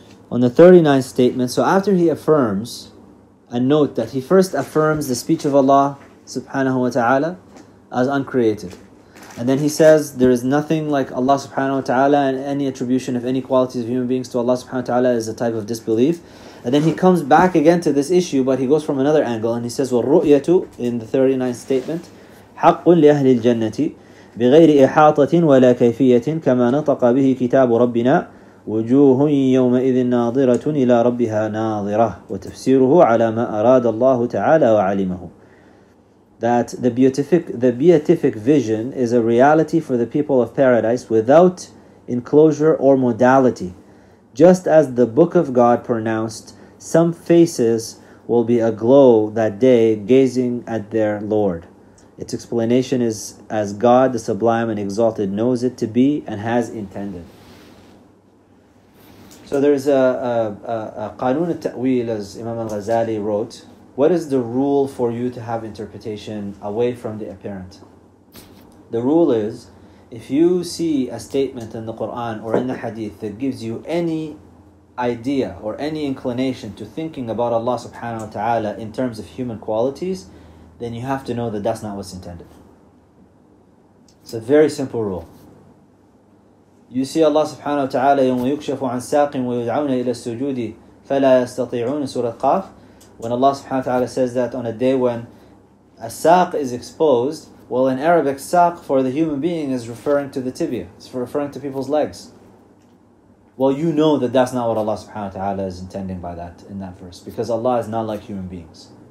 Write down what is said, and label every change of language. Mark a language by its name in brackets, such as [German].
[English] On the 39th statement, so after he affirms, and note that he first affirms the speech of Allah subhanahu wa ta'ala as uncreated. And then he says, there is nothing like Allah subhanahu wa ta'ala, and any attribution of any qualities of human beings to Allah subhanahu wa ta'ala is a type of disbelief. [Arabic] And then he comes back again to this issue, but he goes from another angle, and he says, وَالرُؤْيَةُ, [English] in the 39th statement, [Arabic] حَقٌّ لِأَهْلِ الْجَنَّةِ بِغَيْرِ إِحَاطَةٍ وَلَا كَيْفِيَةٍ كَمَا نَطَقَ بِهِ كِتَابُ رَبِّنَا وُجُوهٌ يَوْمَئِذٍ نَاظِرَةٌ إِلَى رَبِّهَا نَاظِرَةٌ وَتَفْسِيرُهُ عَلَى مَا أَرَادَ اللَّهُ تَعَالَى وَعَلِمَهُ. [English] That the beatific vision is a reality for the people of paradise without enclosure or modality. Just as the Book of God pronounced, some faces will be aglow that day gazing at their Lord. Its explanation is as God the Sublime and Exalted knows it to be and has intended. So there's a qanun al-ta'wil, as Imam al-Ghazali wrote. What is the rule for you to have interpretation away from the apparent? The rule is, if you see a statement in the Quran or in the Hadith that gives you any idea or any inclination to thinking about Allah subhanahu wa ta'ala in terms of human qualities, then you have to know that that's not what's intended. It's a very simple rule. [Arabic] You see Allah subhanahu wa ta'ala, يَوْمَ يُكْشَفُ عَنْ سَاقٍ وَيُدْعَوْنَ إِلَى السُّجُودِ فَلَا يَسْتَطِيعُونَ [English] Surah Qaf. When Allah subhanahu wa ta'ala says that on a day when a saq is exposed, well, in Arabic, saq for the human being is referring to the tibia. It's referring to people's legs. Well, you know that that's not what Allah subhanahu wa ta'ala is intending by that, in that verse. Because Allah is not like human beings.